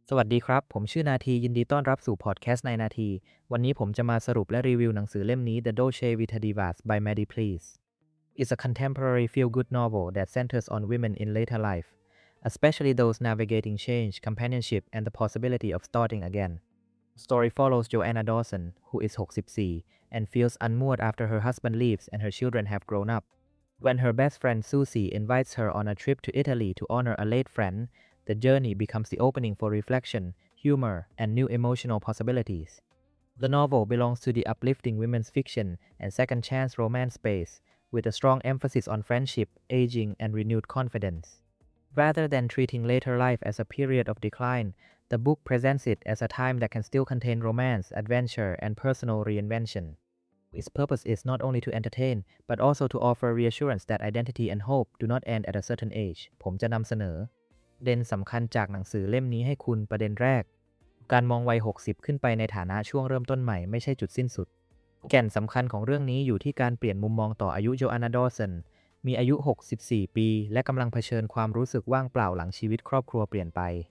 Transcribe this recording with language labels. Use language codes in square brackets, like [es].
[th] สวัสดีครับผมชื่อนาทียินดีต้อนรับสู่พอดแคสต์ในนาทีวันนี้ผมจะมาสรุปและรีวิวหนังสือเล่มนี้ [en] The Dolce Vita Divas by Maddie Pleese It's a contemporary feel-good novel that centers on women in later life, especially those navigating change, companionship, and the possibility of starting again. Story follows Joanna Dawson, who is 64, and feels unmoored after her husband leaves and her children have grown up. When her best friend Susie invites her on a trip to Italy to honor a late friend,The journey becomes the opening for reflection, humor, and new emotional possibilities. The novel belongs to the uplifting women's fiction and second chance romance space, with a strong emphasis on friendship, aging, and renewed confidence. Rather than treating later life as a period of decline, the book presents it as a time that can still contain romance, adventure, and personal reinvention. Its purpose is not only to entertain, but also to offer reassurance that identity and hope do not end at a certain age. [th] ผมจะนำเสนอประเด็นสำคัญจากหนังสือเล่มนี้ให้คุณประเด็นแรกการมองวัย60ขึ้นไปในฐานะช่วงเริ่มต้นใหม่ไม่ใช่จุดสิ้นสุดแก่นสำคัญของเรื่องนี้อยู่ที่การเปลี่ยนมุมมองต่ออายุโจอานาดอร์สันมีอายุ64ปีและกำลังเผชิญความรู้สึกว่างเปล่าหลังชีวิตครอบครัวเปลี่ยนไป